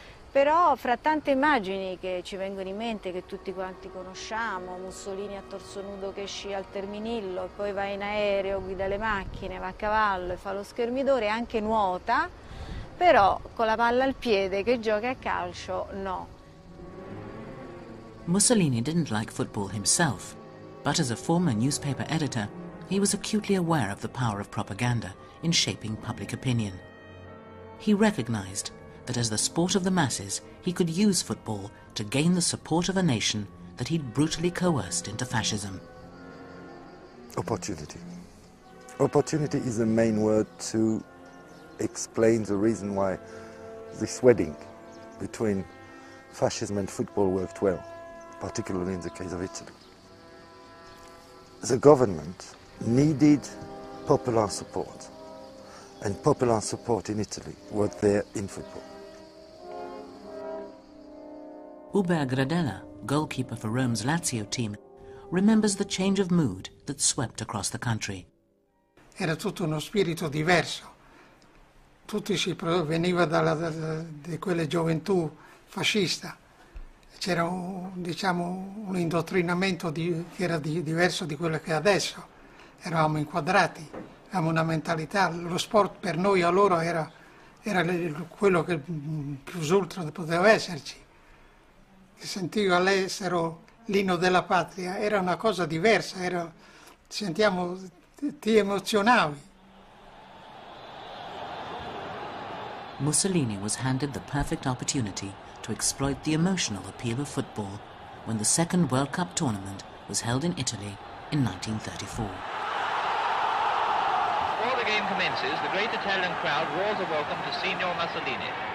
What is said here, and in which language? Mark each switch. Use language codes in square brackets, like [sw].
[it] Però fra tante immagini che ci vengono in mente, che tutti quanti conosciamo, Mussolini a torso nudo che scia al Terminillo, e poi va in aereo, guida le macchine, va a cavallo e fa lo schermidore, anche nuota, però con la palla al piede che gioca a calcio, no. [en] Mussolini didn't like football himself, but as a former newspaper editor, he was acutely aware of the power of propaganda in shaping public opinion. He recognized that as the sport of the masses, he could use football to gain the support of a nation that he'd brutally coerced into fascism. Opportunity. Opportunity is the main word to explain the reason why this wedding between fascism and football worked well, particularly in the case of Italy. The government needed popular support, and popular support in Italy was there in football. Hubert Gradella, goalkeeper for Rome's Lazio team, remembers the change of mood that swept across the country. [it] Era tutto uno spirito diverso. Tutti si proveniva dalla di quelle gioventù fascista. C'era diciamo un indottrinamento che era diverso di quello che è adesso. Eravamo inquadrati, avevamo una mentalità. Lo sport per noi a loro era quello che più ultra poteva esserci. Sentivo all'estero l'inno della patria, era una cosa diversa, ti emozionavi. [en] Mussolini was handed the perfect opportunity to exploit the emotional appeal of football when the second World Cup tournament was held in Italy in 1934. Before the game commences, the great Italian crowd roars a welcome to Signor Mussolini.